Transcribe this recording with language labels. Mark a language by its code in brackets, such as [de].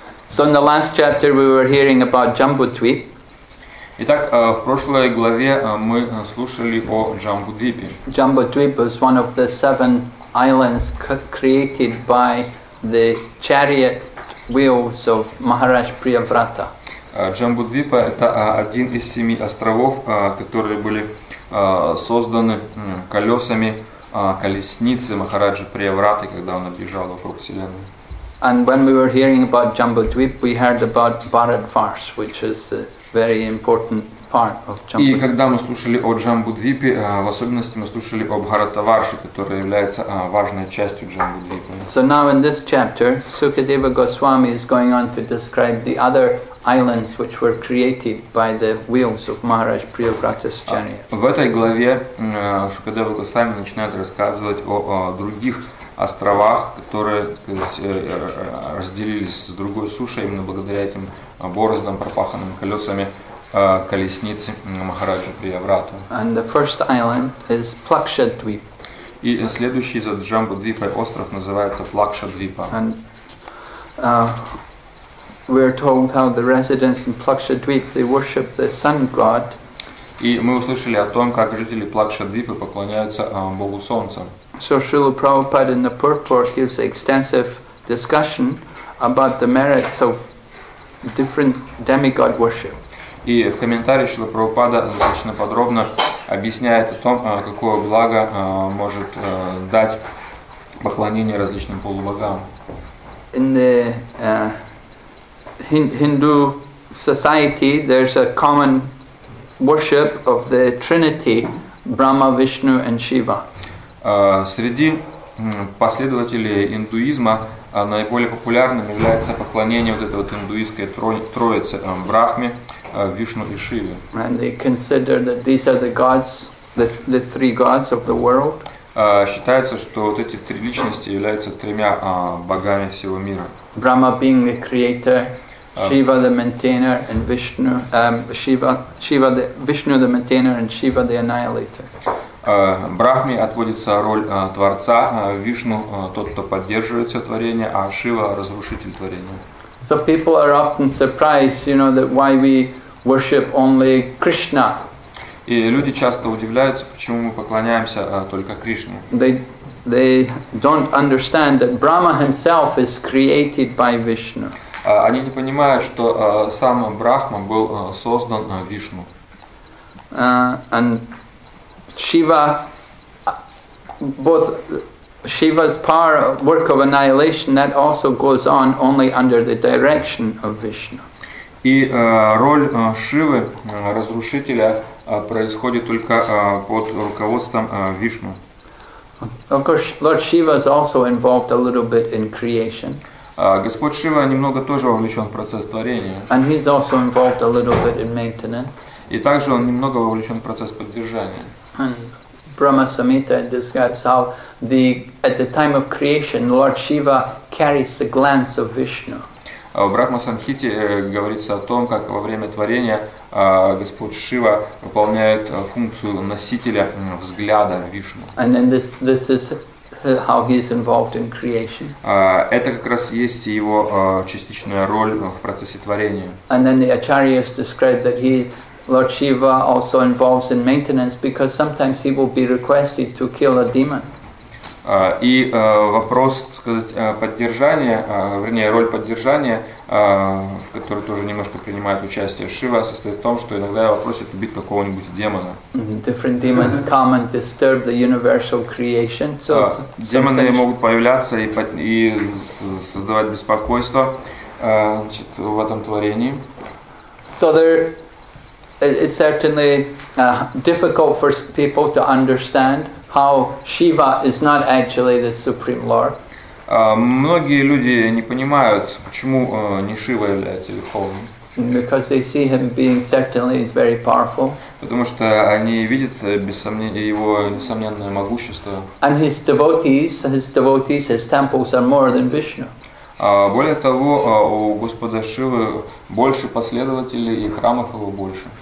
[en] So in the last chapter we were hearing about Jambudvip. [ru] Итак, в прошлой главе мы слушали о Джамбудвипе. [en] Jambudvip was one of the seven islands created by the chariot wheels of Maharaj Priyavrata. [ru] Джамбудвипа – это один из семи островов, которые были созданы колесами колесницы Махараджи Приявраты, когда он объезжал вокруг вселенной. [en] And when we were hearing about Jambudvip, we heard about Bharatvars, which is the very important part of Jambudvip. [ru] И когда мы слушали о Джамбудвипе, в особенности мы слушали о Бхаратаварше, которая является важной частью Джамбудвипа. [en] So now in this chapter, Sukadeva Goswami is going on to describe the other islands which were created by the wheels of Maharaj Priyavrata's chariot. [ru] В этой главе Sukadeva Goswami начинает рассказывать о других островах, которые, так сказать, разделились с другой сушей именно благодаря этим бороздам, пропаханным колесами колесницы Махараджи Приявраты. [en] And the first island is Plakshadvip. [ru] И следующий за Джамбудвипой остров называется Плакшадвипа. [en] And we are told how the residents in Plakshadvip, they worship the sun god. [ru] И мы услышали о том, как жители Плакшадвипы поклоняются Богу Солнца. [en] So Srila Prabhupada in the purport gives extensive discussion about the merits of different demigod worship. [ru] И в комментарии Шрила Прабхупада достаточно подробно объясняет о том, какое благо может дать поклонение различным полубогам. [en] In the Hindu society there's a common worship of the Trinity, Brahma, Vishnu and Shiva. [ru] Среди последователей индуизма наиболее популярным является поклонение вот этой вот индуистской троицы Брахме, Вишну и Шиве. [en] And they consider that these are the gods, the three gods of the world. [ru] Считается, что вот эти три личности являются тремя богами всего мира. [en] Brahma being the creator, Shiva the maintainer, and Vishnu, Shiva the Vishnu the maintainer, and Shiva the annihilator. [ru] Брахме отводится роль Творца, Вишну – тот, кто поддерживает все творение, а Шива – разрушитель творения. [en] So people are often surprised, you know, that why we worship only Krishna. [ru] И люди часто удивляются, почему мы поклоняемся только Кришне. [en] They don't understand that Brahma himself is created by Vishnu. [ru] Они не понимают, что сам Брахма был создан Вишну. [en] And Shiva, both Shiva's power, work of annihilation, that also goes on only under the direction of Vishnu. [ru] И роль Шивы, разрушителя, происходит только под руководством Вишну. [en] Of course, Lord Shiva is also involved a little bit in creation. [ru] Господь Шива немного тоже вовлечен в процесс творения. [en] And he's also involved a little bit in maintenance. [ru] И также он немного вовлечен в процесс поддержания. [en] Brahma Samhita describes how at the time of creation Lord Shiva carries the glance of Vishnu. [ru] В Брахма Самхите говорится о том, как во время творения Господь Шива выполняет функцию носителя взгляда Вишну. [en] And then this is how he is involved in creation. [ru] Это как раз есть его частичная роль в процессе творения. [en] And then the acharyas describe that Lord Shiva also involves in maintenance because sometimes he will be requested to kill a demon. [ru] И вопрос, сказать, поддержания, вернее, роль поддержания, в которой тоже немножко принимает участие Шива, состоит в том, что иногда его просят убить какого-нибудь демона. [en] Different demons come and disturb the universal creation. So [ru] демоны могут появляться и создавать беспокойство в этом творении. [en] So it's certainly difficult for people to understand how Shiva is not actually the Supreme Lord. [ru] Многие люди не понимают, почему не Шива является Верховным. [en] Because they see him being certainly very powerful. [ru] Потому что они видят без сомнения его несомненное могущество. [en] And his devotees, his temples are more than Vishnu. [ru] Более того, у Господа Шивы больше последователей, и храмов его больше.